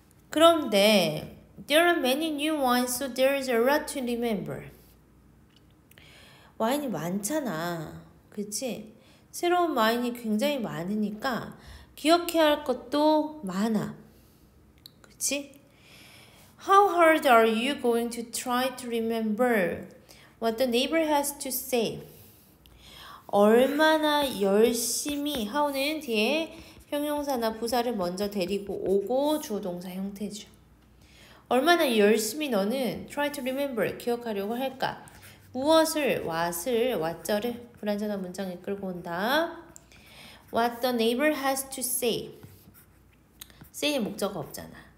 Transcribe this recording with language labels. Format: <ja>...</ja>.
<ko>그런데</ko> <en>there are many new wines, so there is a lot to remember.</en> <ko>와인이 많잖아, 그치? 새로운 와인이 굉장히 많으니까 기억해야 할 것도 많아, 그치?</ko> <en>How hard are you going to try to remember what the neighbor has to say?</en> <ko>얼마나 열심히 how는 뒤에 형용사나 부사를 먼저 데리고 오고 주어동사 형태죠. 얼마나 열심히 너는</ko> <en>try to remember,</en> <ko>기억하려고 할까? 무엇을, what을, what자를 불완전한 문장 이끌고 온다.</ko> <en>What the neighbor has to say.</en> <ko>쓰인 목적어 없잖아.</ko>